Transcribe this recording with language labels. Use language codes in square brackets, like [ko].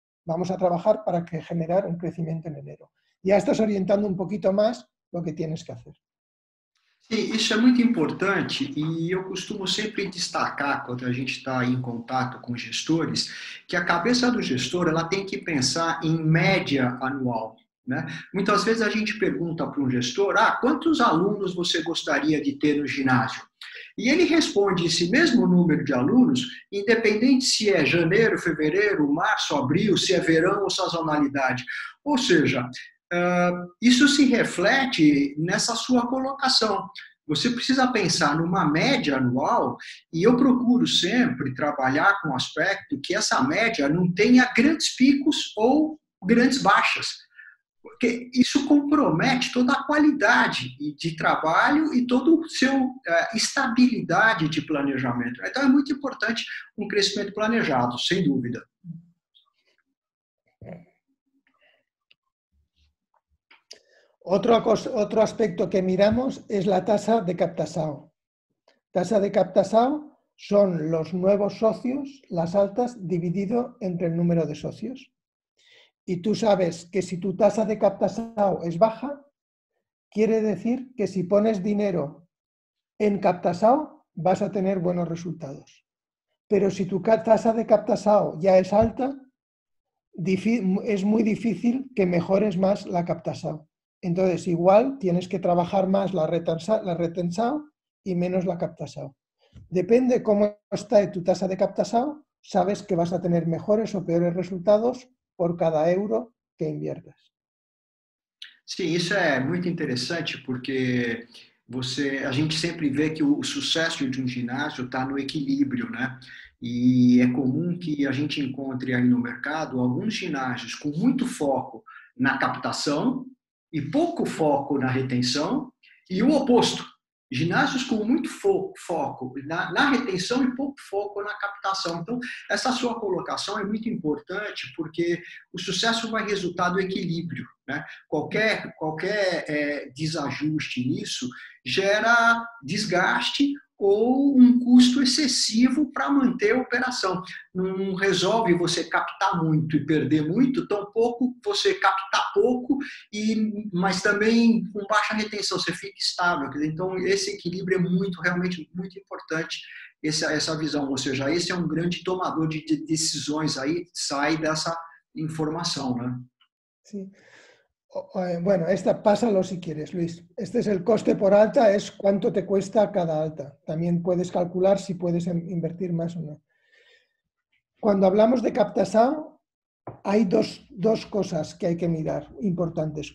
[es] Vamos a trabajar para que generar un crecimiento en enero. Ya estás orientando un poquito más lo que tienes que hacer. Sí, eso es muy importante y yo costumo siempre destacar cuando a gente está en contacto con gestores que a cabeza del gestor ela tiene que pensar en media anual. [pt] Né? Muitas vezes a gente pergunta para um gestor, ah, quantos alunos você gostaria de ter no ginásio? E ele responde esse mesmo número de alunos, independente se é janeiro, fevereiro, março, abril, se é verão ou sazonalidade. Ou seja, isso se reflete nessa sua colocação. Você precisa pensar numa média anual e eu procuro sempre trabalhar com o aspecto que essa média não tenha grandes picos ou grandes baixas. Porque isso compromete toda a qualidade de trabalho e toda a sua estabilidade de planejamento. Então, é muito importante um crescimento planejado, sem dúvida. Outro aspecto que miramos é a taxa de captação. Taxa de captação são os novos sócios, as altas, dividido entre o número de sócios. [es] Y tú sabes que si tu tasa de captación es baja, quiere decir que si pones dinero en captación vas a tener buenos resultados. Pero si tu tasa de captación ya es alta, es muy difícil que mejores más la captación. Entonces, igual tienes que trabajar más la retención y menos la captación. Depende cómo está tu tasa de captación, sabes que vas a tener mejores o peores resultados por cada euro que inviertas. [pt] Sim, isso é muito interessante porque a gente sempre vê que o sucesso de um ginásio está no equilíbrio, né? E é comum que a gente encontre aí no mercado alguns ginásios com muito foco na captação e pouco foco na retenção e o oposto. Ginásios com muito foco na retenção e pouco foco na captação. Então, essa sua colocação é muito importante porque o sucesso vai resultar do equilíbrio. Né? Qualquer desajuste nisso gera desgaste ou um custo excessivo para manter a operação. Não resolve você captar muito e perder muito, tampouco você captar pouco, mas também com baixa retenção, você fica estável. Então, esse equilíbrio é muito, realmente, muito importante, essa visão. Ou seja, esse é um grande tomador de decisões aí, sai dessa informação, né? Sim. [es] Bueno, esta pásalo si quieres, Luis. Este es el coste por alta, es cuánto te cuesta cada alta. También puedes calcular si puedes invertir más o no. Cuando hablamos de captación, hay dos cosas que hay que mirar importantes.